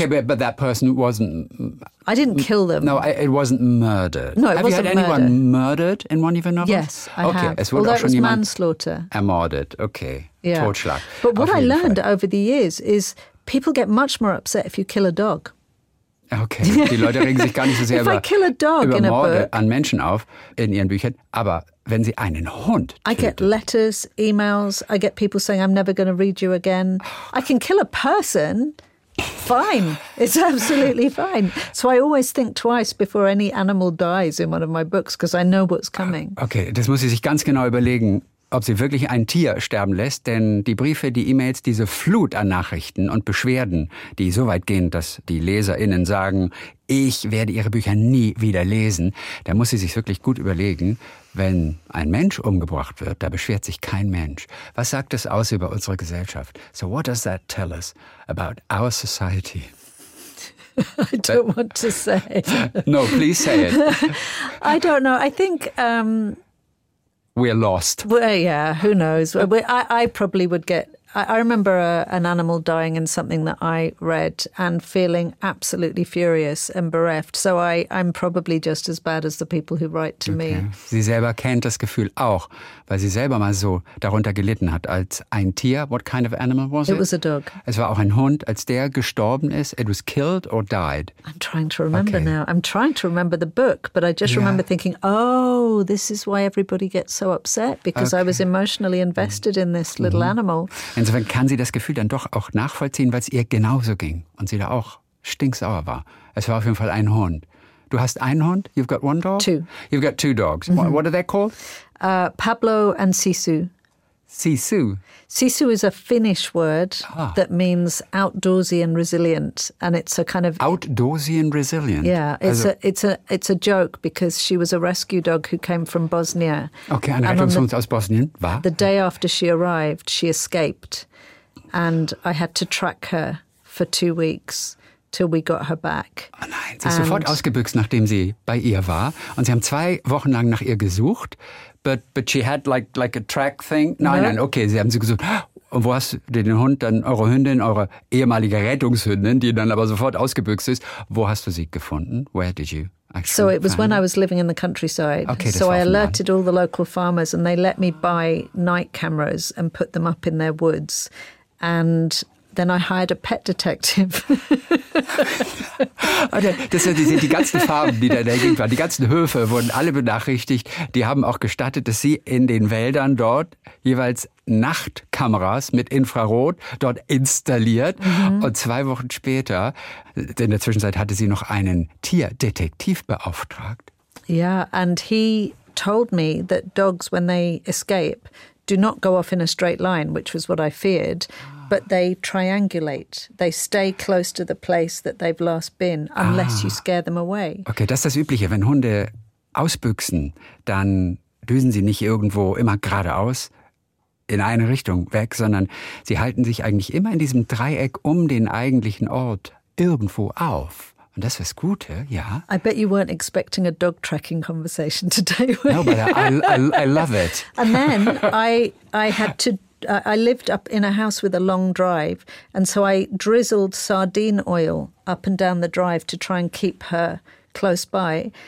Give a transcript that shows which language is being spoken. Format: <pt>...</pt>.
<en>Okay, but that person wasn't... I didn't kill them. No, it wasn't murdered. No, it wasn't murdered. Have you had anyone murdered in one of your novels? Yes, I have. Although it was manslaughter.</en> <de>Ermordet, okay.</de> <en>Yeah.</en> <de>Totschlag.</de> <en>But what I learned over the years is people get much more upset if you kill a dog.</en> <de>Okay, die Leute regen sich gar nicht so sehr über Morde an Menschen auf in ihren Büchern. Aber wenn sie einen Hund tötet.</de> <en>I get letters, emails, I get people saying, I'm never going to read you again. I can kill a person, fine. It's absolutely fine. So I always think twice before any animal dies in one of my books, because I know what's coming.</en> <de>Okay, das muss sie sich ganz genau überlegen, ob sie wirklich ein Tier sterben lässt. Denn die Briefe, die E-Mails, diese Flut an Nachrichten und Beschwerden, die so weit gehen, dass die LeserInnen sagen, ich werde ihre Bücher nie wieder lesen. Da muss sie sich wirklich gut überlegen, wenn ein Mensch umgebracht wird, da beschwert sich kein Mensch. Was sagt das aus über unsere Gesellschaft?</de> <en>So what does that tell us about our society? I don't want to say. No, please say it. I don't know. I think... We're lost. Well, yeah, who knows? I probably would get I remember an animal dying in something that I read and feeling absolutely furious and bereft. So I'm probably just as bad as the people who write to me.</en> <de>Sie selber kennt das Gefühl auch, weil sie selber mal so darunter gelitten hat als ein Tier.</de> <en>What kind of animal was it? It was a dog.</en> <de>Es war auch ein Hund, als der gestorben ist.</de> <en>It was killed or died. I'm trying to remember now. I'm trying to remember the book, but I just remember thinking, oh, this is why everybody gets so upset, because I was emotionally invested in this little animal.</en> <de>Insofern kann sie das Gefühl dann doch auch nachvollziehen, weil es ihr genauso ging und sie da auch stinksauer war. Es war auf jeden Fall ein Hund. Du hast einen Hund?</de> <en>You've got one dog? Two. You've got two dogs. Mm-hmm. What are they called? Pablo and Sisu. Sisu? Sisu is a Finnish word that means outdoorsy and resilient. And it's a kind of... Outdoorsy and resilient? Yeah. It's a joke because she was a rescue dog who came from Bosnia.</en> <de>Okay, ein Rettungshund aus Bosnien. War?</de> <en>The day after she arrived, she escaped. And I had to track her for 2 weeks till we got her back.</en> <de>Oh nein, sie ist sofort ausgebüxt, nachdem sie bei ihr war. Und sie haben 2 Wochen lang nach ihr gesucht.</de> <en>But she had like a track thing.</en> <de>Nein, okay, sie haben sie gesucht. Und wo hast du den Hund, dann eure Hündin, eure ehemalige Rettungshündin, die dann aber sofort ausgebüxt ist, wo hast du sie gefunden?</de> <en>Where did you actually So it was when I was living in the countryside. Okay, so I alerted all the local farmers and they let me buy night cameras and put them up in their woods. And then I hired a pet detective.</en> <de>Das sind die ganzen Farben, die da in der Gegend waren. Die ganzen Höfe wurden alle benachrichtigt. Die haben auch gestattet, dass sie in den Wäldern dort jeweils Nachtkameras mit Infrarot dort installiert. Mhm. Und 2 Wochen später, in der Zwischenzeit hatte sie noch einen Tierdetektiv beauftragt.</de> <en>Ja, and he told me that dogs, when they escape, do not go off in a straight line, which was what I feared. But they triangulate. They stay close to the place that they've last been, unless you scare them away.</en> <de>Okay, das ist das Übliche. Wenn Hunde ausbüchsen, dann düsen sie nicht irgendwo immer geradeaus in eine Richtung weg, sondern sie halten sich eigentlich immer in diesem Dreieck um den eigentlichen Ort irgendwo auf. Und das wär's Gute, ja.</de> <en>I bet you weren't expecting a dog tracking conversation today. No, but I love it. And then I had to. I lived up in a house with a long drive, and so I drizzled sardine oil up and down the drive to try and keep her close by.</en>